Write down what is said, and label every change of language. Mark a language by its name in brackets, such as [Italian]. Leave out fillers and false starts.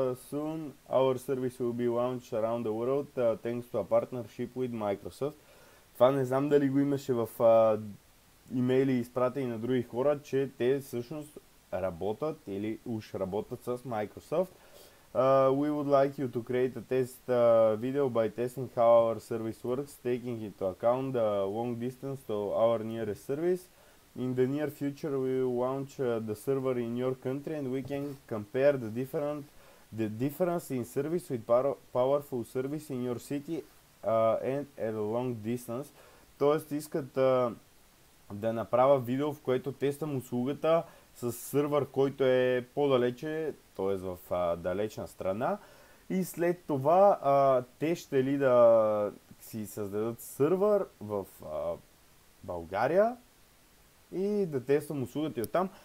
[English] Soon our service will be launched around the world thanks to a partnership with Microsoft. [Bulgarian] Това не знам дали го имаше в имейли изпратени на други хора, че те всъщност работят или уж работят с Microsoft. [English] We would like you to create a test video by testing how our service works, taking into account the long distance to our nearest service. In the near future we will launch the server in your country and we can compare the difference in service with powerful service in your city and at a long distance. [Bulgarian] Тоест искат да направя видео, в което тествам услугата с сервер, който е по-далече, т.е. в далечна страна. И след това те ще ли да си създадат сервер в България и да тествам услугата и оттам.